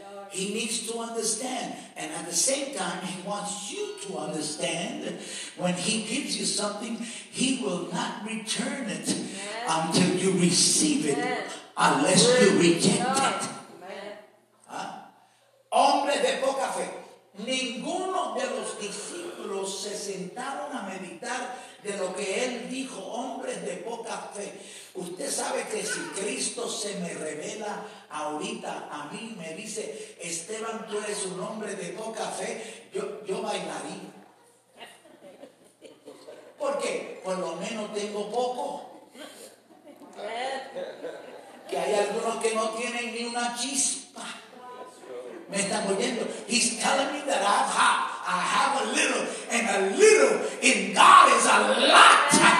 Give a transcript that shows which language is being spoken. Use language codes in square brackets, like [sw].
[en] He needs to understand, and at the same time, he wants you to understand that when he gives you something, he will not return it until you receive it, unless you reject it. [es] Hombres de poca fe. Ninguno de los discípulos se sentaron a meditar de lo que él dijo. Hombres de poca fe. Usted sabe que si Cristo se me revela ahorita a mí, me dice, Esteban, tú eres un hombre de poca fe, yo bailaría. ¿Por qué? Por lo menos tengo poco. Que hay algunos que no tienen ni una chispa. Me están oyendo. [en] He's telling me that I have a little, and a little in God is a lot.